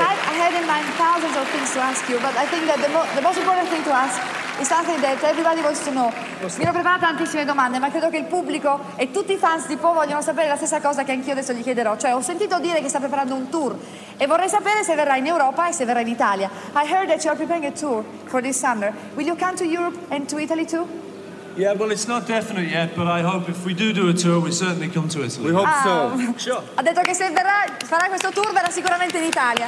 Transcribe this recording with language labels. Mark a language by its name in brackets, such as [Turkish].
[English] I had in mind thousands of things to ask you, but I think that the most important thing to ask is something that everybody wants to know. [Italian] Mi ero preparata tantissime domande, ma credo che il pubblico e tutti i fans di Po vogliono sapere la stessa cosa che anch'io adesso gli chiederò. Cioè, ho sentito dire che sta preparando un tour e vorrei sapere se verrà in Europa e se verrà in Italia. [English] I heard that you are preparing a tour for this summer. Will you come to Europe and to Italy too? Yeah, well, it's not definite yet, but I hope if we do a tour, we certainly come to Italy. We hope so. Sure. [Italian] Ha detto che se verrà, farà questo tour, verrà sicuramente in Italia.